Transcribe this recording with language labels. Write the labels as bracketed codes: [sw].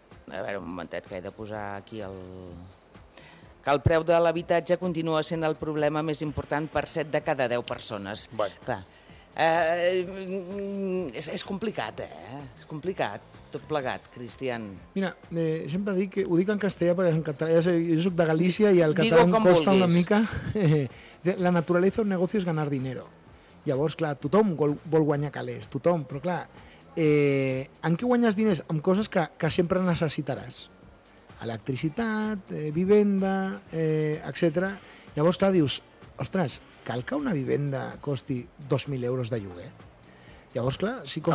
[ca] A veure, un momentet, que he de posar aquí el... Que el preu de l'habitatge continua sent el problema més important per 7 de cada 10 persones. Bueno. Clar. És complicat, eh? És complicat, tot plegat, Cristian. Mira, sempre dic que ho dic en castellà, perquè en català, ja sé, jo soc de Galícia i el català em costa una mica. [es] La naturaleza del negocio es ganar dinero. [ca] Llavors, clar, tothom vol guanyar calés, tothom, però clar, en què guanyes diners? En coses que sempre necessitaràs. Electricitat, vivenda, etcètera. Llavors, clar, dius, ostres, cal que una vivenda costi 2.000 euros de lloguer? Llavors, clar, si costa...